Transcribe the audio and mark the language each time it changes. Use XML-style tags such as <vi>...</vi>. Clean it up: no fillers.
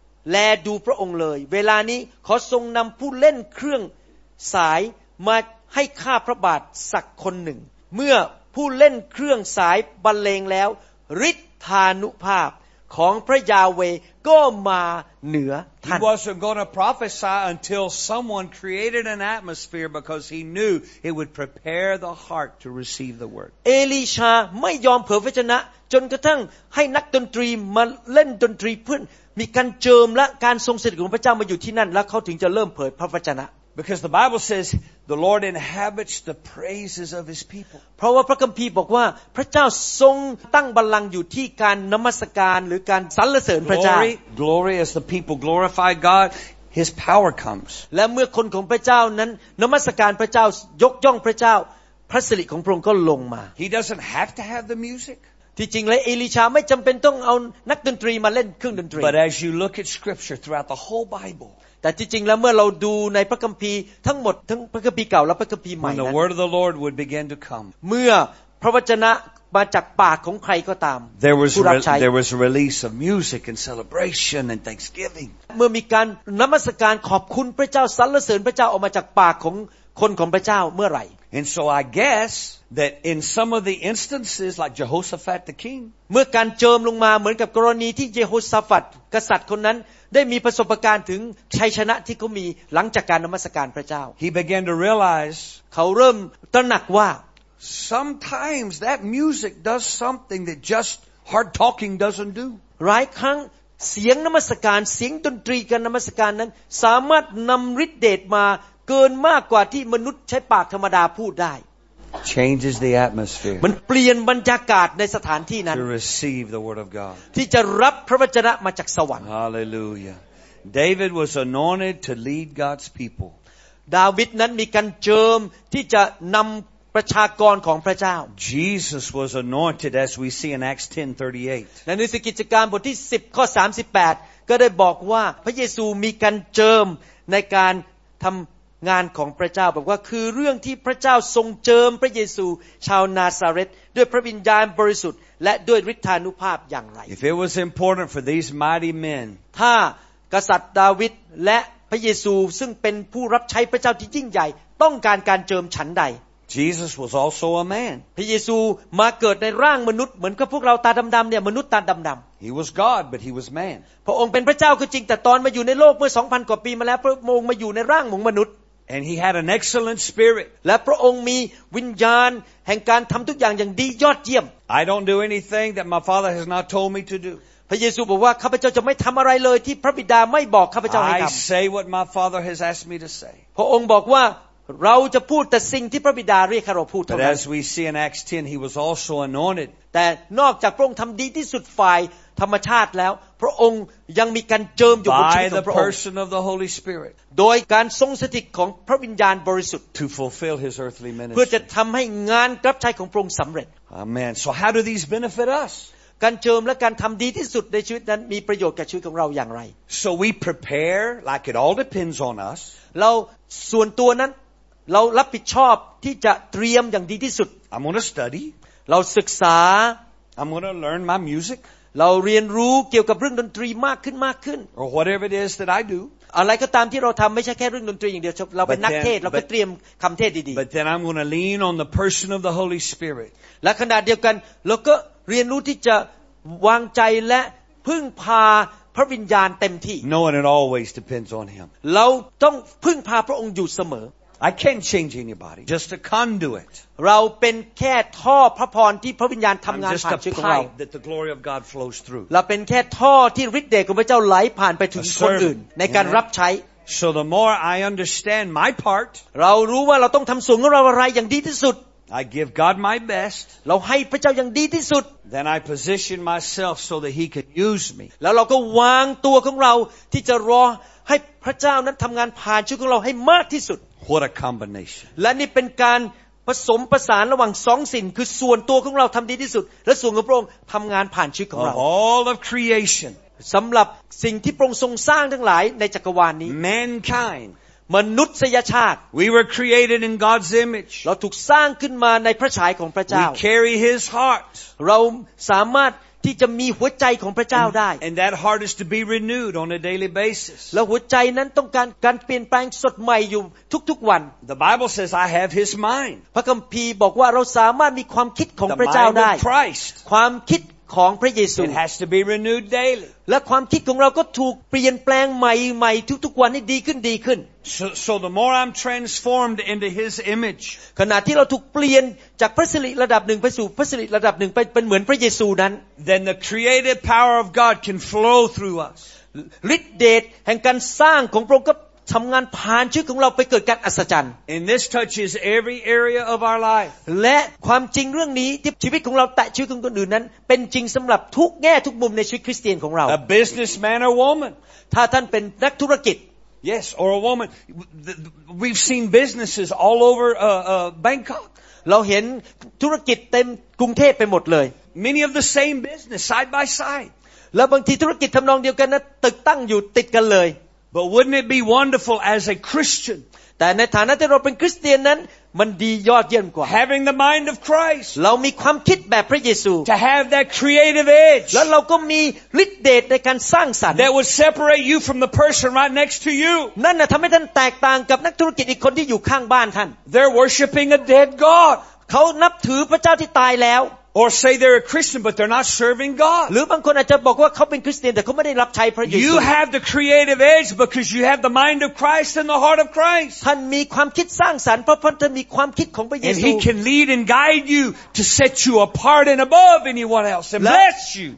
<th>แลดูพระองค์เลยเวลานี้ขอทรงนำผู้เล่นเครื่องสายมาให้ข้าพระบาทสักคนหนึ่งเมื่อผู้เล่นเครื่องสายบรรเลงแล้วฤทธานุภาพของพระยาเวก็มาเหนือท่าน</th> <en>He wasn't going to prophesy until someone created an atmosphere because he knew it would prepare the heart to receive the word.</en> <th>เอลีชาไม่ยอมเผยพระชนะจนกระทั่งให้นักดนตรีมาเล่นดนตรีเพื่อมีการเจิมและการทรงสถิตของพระเจ้ามาอยู่ที่นั่นแล้วเขาถึงจะเริ่มเผยพระวจนะ</th> <en>Because the Bible says the Lord inhabits the praises of his people.</en> <th>เพราะว่าพระคัมภีร์บอกว่าพระเจ้าทรงตั้งบัลลังก์อยู่ที่การนมัสการหรือการสรรเสริญพระเจ้า</th> <en>Glory as the people glorify God His power comes.</en> <th>และเมื่อคนของพระเจ้านั้นนมัสการพระเจ้ายกย่องพระเจ้าพระสิริของพระองค์ก็ลงมา</th> <en>He doesn't have to have the music.</en> <th>ที่จริงแล้วเอลีชาไม่จำเป็นต้องเอานักดนตรีมาเล่นเครื่องดนตรี</th> <en>But as you look at scripture throughout the whole Bible.</en> <th>แต่จริงๆแล้วเมื่อเราดูในพระคัมภีร์ทั้งหมดทั้งพระคัมภีร์เก่าและพระคัมภีร์ใหม่นั้น</th> <en>When the word of the Lord would begin to come</en> <th>เมื่อพระวจนะมาจากปากของใครก็ตาม ผู้รับใช้</th> <en>There was a release of music and celebration and thanksgiving</en> <th>เมื่อมีการนมัสการขอบคุณพระเจ้าสรรเสริญพระเจ้าออกมาจากปากของคนของพระเจ้าเมื่อไหร่</th> <en>And so I guess that in some of the instances like Jehoshaphat the king</en> <th>เมื่อการเจิมลงมาเหมือนกับกรณีที่เยโฮชาฟัตกษัตริย์คนนั้นได้มีประสบการณ์ถึงชัยชนะที่เขามีหลังจากการนมัสการพระเจ้า</th> <en>He began to realize</en> <th>เขาเริ่มตระหนักว่า</th> <en>Sometimes that music does something that just hard talking doesn't do</en> <th>หลายครั้งเสียงนมัสการเสียงดนตรีการนมัสการนั้นสามารถนำฤทธิ์เดชมาเกินมากกว่าที่มนุษย์ใช้ปากธรรมดาพูดได้</th> <en>Changes the atmosphere</en> <th>มันเปลี่ยนบรรยากาศในสถานที่นั้น</th> <en>To receive the word of God</en> <th>ที่จะรับพระวจนะมาจากสวรรค์</th> <en>Hallelujah David was anointed to lead God's people</en> <th>ดาวิดนั้นมีการเจิมที่จะนำประชากรของพระเจ้า</th> <en>Jesus was anointed as we see in Acts 10:38</en> <th>ในหนังสือกิจการบทที่10ข้อ38ก็ได้บอกว่าพระเยซูมีการเจิมในการทำงานของพระเจ้าบอกว่าคือเรื่องที่พระเจ้าทรงเจิมพระเยซูชาวนาซาเร็ธด้วยพระวิญญาณบริสุทธิ์และด้วยฤทธานุภาพอย่างไร</th> <en>If it was important for these mighty men</en> <th>ถ้ากษัตริย์ดาวิดและพระเยซูซึ่งเป็นผู้รับใช้พระเจ้าที่ยิ่งใหญ่ต้องการการเจิมฉันใด</th> <en>Jesus was also a man.</en> <th>พระเยซูมาเกิดในร่างมนุษย์เหมือนกับพวกเราตาดำๆเนี่ยมนุษย์ตาดำ</th> <en>ๆ He was God, but he was man.</en> <th>พระองค์เป็นพระเจ้าก็จริงแต่ตอนมาอยู่ในโลกเมื่อ 2,000 กว่าปีมาแล้วพระองค์มาอยู่ในร่างของมนุษย์</th> <en>And he had an excellent spirit.</en> <th>และพระองค์มีวิญญาณแห่งการทำทุกอย่างอย่างดียอดเยี่ยม</th> <en>I don't do anything that my Father has not told me to do.</en> <th>พระเยซูบอกว่าข้าพเจ้าจะไม่ทำอะไรเลยที่พระบิดาไม่บอกข้าพเจ้าให้ทำ</th> <en>I say what my Father has asked me to say.</en> <th>พระองค์บอกว่าเราจะพูดแต่สิ่งที่พระบิดาเรียกให้เราพูดเท่านั้น</th> <en>But as we see in Acts 10 he was also anointed</en> <th>แต่นอกจากพระองค์ทำดีที่สุดฝ่ายธรรมชาติแล้วพระองค์ยังมีการเจิมอยู่บนชีวิตของพระองค์</th> <en>By the person of the Holy Spirit</en> <th>โดยการทรงสถิตของพระวิญญาณบริสุทธิ์</th> <en>To fulfill his earthly ministry</en> <th>เพื่อจะทำให้งานรับใช้ของพระองค์สำเร็จ</th> <en>Amen So how do these benefit us</en> <th>การเจิมและการทำดีที่สุดในชีวิตนั้นมีประโยชน์แก่ชีวิตของเราอย่างไร</th> <en>So we prepare like it all depends on us</en> <th>เราส่วนตัวนั้นเรารับผิดชอบที่จะเตรียมอย่างดีที่สุด</th> <en>I'm going to study</en> <th>เราศึกษา</th> <en>I'm going to learn my music</en> <th>เราเรียนรู้เกี่ยวกับเรื่องดนตรีมากขึ้นมากขึ้น</th> <en>Or whatever it is that I do</en> <th>อะไรก็ตามที่เราทำไม่ใช่แค่เรื่องดนตรีอย่างเดียวเราเป็นนักเทศเราก็เตรียมคำเทศดี</th> <en>ๆ But then I'm going to lean on the person of the Holy Spirit</en> <th>และขณะเดียวกันเราก็เรียนรู้ที่จะวางใจและพึ่งพาพระวิญญาณเต็มที่</th> <en>Knowing it always depends on Him</en> <th>เราต้องพึ่งพาพระองค์อยู่เสมอ</th> <en>I can't change anybody. Just a conduit.</en> <th>เราเป็นแค่ท่อพระพรที่พระวิญญาณทำงานผ่านชีวิตของเรา</th> <en>I'm just a pipe that the glory of God flows through.</en> <th>เราเป็นแค่ท่อที่ฤทธิ์เดชของพระเจ้าไหลผ่านไปถึงคนอื่นในการรับใช้</th> <en>So the more I understand my part,</en> <th>เรารู้ว่าเราต้องทำส่วนของเราอะไรอย่างดีที่สุด</th> <en>I give God my best.</en> <th>เราให้พระเจ้าอย่างดีที่สุด</th> <en>Then I position myself so that He can use me.</en> <th>แล้วเราก็วางตัวของเราที่จะรอให้พระเจ้านั้นทำงานผ่านชีวิตของเราให้มากที่สุด</th> <en>What a combination.</en> <th>และนี่เป็นการผสมผสานระหว่างสองสิ่งคือส่วนตัวของเราทำดีที่สุดและส่วนของพระองค์ทำงานผ่านชีวิตของเรา</th> <en>All of creation.</en> <th>สำหรับสิ่งที่พระองค์ทรงสร้างทั้งหลายในจักรวาลนี้</th> <en>Mankind.</en> <th>มนุษยชาติ</th> <en>We were created in God's image.</en> <th>เราถูกสร้างขึ้นมาในพระฉายของพระเจ้า</th> <en>We carry His heart.</en> <th>เราสามารถที่จะมีหัวใจของพระเจ้าได้</th> <en>And that heart is to be renewed on a daily basis.</en> <th>และหัวใจนั้นต้องการการเปลี่ยนแปลงสดใหม่อยู่ทุกๆวัน</th> <en>The Bible says I have His mind.</en> <th>พระคัมภีร์บอกว่าเราสามารถมีความคิดของพระเจ้าได้</th> <en>Christ.</en> <th>ความคิดของพระเยซู</th> <en>It has to be renewed daily.</en> <th>และความคิดของเราก็ถูกเปลี่ยนแปลงใหม่ๆทุกๆวันให้ดีขึ้นดีขึ้น</th> <en>So the more I'm transformed into His image.</en> <th>ขณะที่เราถูกเปลี่ยนจากพระสิริระดับหนึ่งไปสู่พระสิริระดับหนึ่งไปเป็นเหมือนพระเยซูนั้น</th> <en>Then the creative power of God can flow through us.</en> <th>ฤทธิ์เดชแห่งการสร้างของพระองค์ก็ทำงานผ่านชีวิตของเราไปเกิดการอัศจรรย์</th> <en>And this touches every area of our life.</en> <th>และความจริงเรื่องนี้ที่ชีวิตของเราแตะชีวิตของคนอื่นนั้นเป็นจริงสำหรับทุกแง่ทุกมุมในชีวิตคริสเตียนของเรา</th> <en>A businessman or woman.</en> <th>ถ้าท่านเป็นนักธุรกิจ</th> <en>Yes, or a woman. We've seen businesses all over Bangkok.</en> <th>เราเห็นธุรกิจเต็มกรุงเทพไปหมดเลย</th> <en>Many of the same business side by side.</en> <th>แล้วบางทีธุรกิจทำนองเดียวกันนะตึกตั้งอยู่ติดกันเลย</th> <en>But wouldn't it be wonderful as a Christian?</en> <th>แต่ในฐานะที่เราเป็นคริสเตียนนั้นมันดียอดเยี่ยมกว่า</th> <en>Having the mind of Christ.</en> <th>เรามีความคิดแบบพระเยซู</th> <en>To have that creative edge.</en> <th>แล้วเราก็มีฤทธิ์เดชในการสร้างสรรค์</th> <en>That would separate you from the person right next to you.</en> <th>นั่นน่ะทำให้ท่านแตกต่างกับนักธุรกิจอีกคนที่อยู่ข้างบ้านท่าน</th> <en>They're worshiping a dead God.</en> <th>เขานับถือพระเจ้าที่ตายแล้ว</th> <en>Or say they're a Christian but they're not serving God.</en> <th>หรือบางคนอาจจะบอกว่าเขาเป็นคริสเตียนแต่เขาไม่ได้รับใช้พระเยซู</th> <en>You have the creative edge because you have the mind of Christ and the heart of Christ.</en> <th>ท่านมีความคิดสร้างสรรค์เพราะท่านมีความคิดของพระเยซู</th> <en>And he can lead and guide you to set you apart and above anyone else and bless you.</en>